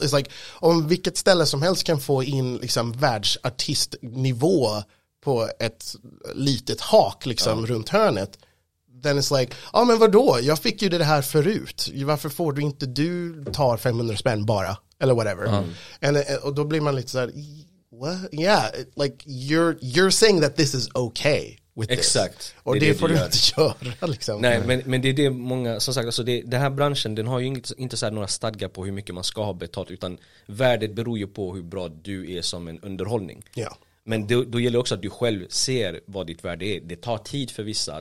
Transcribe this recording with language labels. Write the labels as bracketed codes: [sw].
[en] It's like, [sv] om vilket ställe som helst kan få in liksom världsartistnivå på ett litet hak liksom runt hörnet. [en] Then it's like, [sv] ja men vadå? Jag fick ju det här förut. Varför får du inte du tar 500 spänn bara? Eller whatever. Och då blir man lite så här, [en] what? Yeah, like you're saying that this is okay. [sv] Exakt. Och det får du inte göra liksom. Nej, men det är det många, som sagt, alltså den här branschen, den har ju inte så här några stadgar på hur mycket man ska ha betalt, utan värdet beror ju på hur bra du är som en underhållning. Ja. Men då gäller också att du själv ser vad ditt värde är. Det tar tid för vissa.